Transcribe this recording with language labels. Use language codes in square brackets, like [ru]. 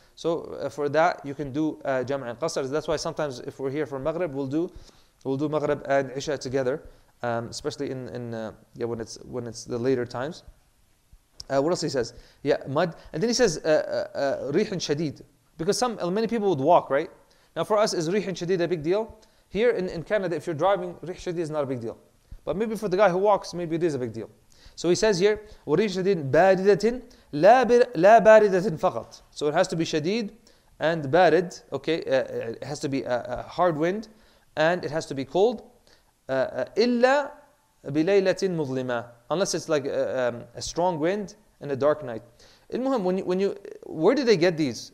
[en] So for that, you can do jama' and qasr. That's why sometimes if we're here for Maghrib, we'll do Maghrib and Isha together, especially in when it's the later times. What else he says? Yeah, mud. And then he says, rihin shadid. Because many people would walk, right? Now for us, is rihin shadid a big deal? Here in Canada, if you're driving, rih shadid is not a big deal. But maybe for the guy who walks, maybe it is a big deal. So he says here, [ar] ورِيحٌ شديدٌ بَارِدَةٌ لَا بَارِدَةٍ فَقَطْ. [en] So it has to be shadid and barid, okay? It has to be a hard wind, and it has to be cold. [ar] إِلَّا بِلَيْلَةٍ مُظْلِمَةٍ. [en] Unless it's like a strong wind and a dark night. المهم, when you, where do they get these?